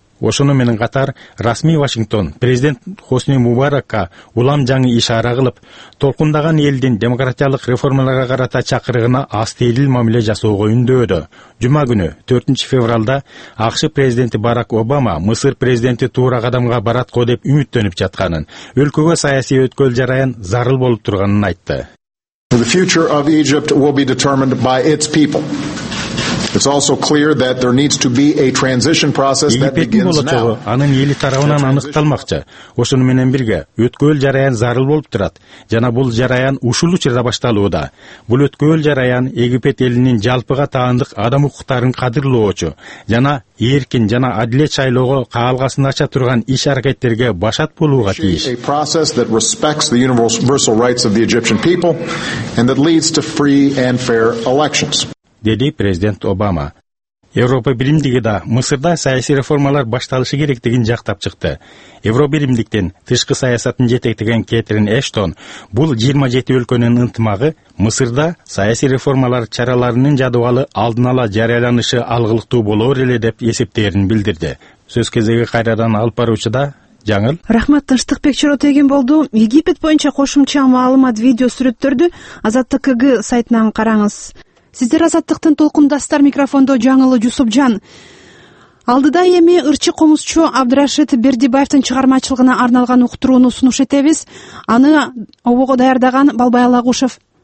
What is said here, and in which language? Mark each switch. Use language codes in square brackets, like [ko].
[ky] Ошону менен катар расмий Вашингтон президент Хосни Мубаракка улам жаңы ишара кылып, толкундаган элдин демократиялык реформаларга карата чакырыгына астейдил мамиле жасоого үндөдү. Жума күнү 4 февралда АКШ президенти Барак Обама Мысыр президенти туурак адамга баратко деп үмүттөнүп жатканын, өлкөгө саясий өткөл жараян зарыл болуп турганын айтты. [en] The future of Egypt will be determined by its people. It's also clear that there needs to be a transition process that begins now. [ky] Анын эли тарабынан аныкталмакчы. Ошону менен бирге өткөл жараян зарыл болуп турат жана бул жараян ушул учурда башталууда. Бул өткөл жараян Египет элинин жалпыга таандык адам укуктарын кадырлоочу жана эркин жана адилет шайлоого каалгасын ача турган иш аракеттерге башат болууга тийиш. [en] A process that respects the universal rights of the Egyptian people and that leads to free and fair elections. [ky] Деди президент Обама. Европа биримдиги да Мысырда саясий реформалар башталышы керектигин жактап чыкты. Евробиримдиктин тышкы саясатын жетектеген Кэтрин Эштон бул 27 өлкөнүн ынтымагы Мысырда саясий реформалар чараларынын жадыбалы алдын ала жарыяланышы алгылыктуу болоор эле деп эсептерин билдирди. Сөз кезеги кайрадан алып баруучуда Жаңыл. Рахмат, Тынчтыкбек Чоротеген болду. Египет боюнча кошумча маалымат видео сүрөттөрдү Азаттык КГ сайтынан караңыз. Сиздер азаттыктын толкундастар микрофондо Жаңылы Жусупжан. Алдыда эми ырчы комузчу Абдырашит Бердибаевдин чыгармачылыгына арналган уктурууну сунуш этебиз. Аны обого даярдаган Балбай Алагушев.